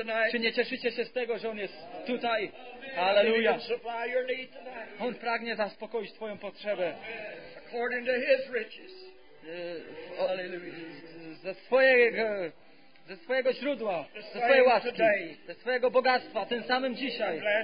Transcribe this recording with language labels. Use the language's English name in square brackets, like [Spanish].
[Polish] Czy nie cieszycie się z tego, że on jest tutaj? Alleluja. On pragnie zaspokoić twoją potrzebę. [English] According to his riches. [Polish] Ze swojego, ze swojego źródła, ze swojej łaski, ze swojego bogactwa, tym samym dzisiaj.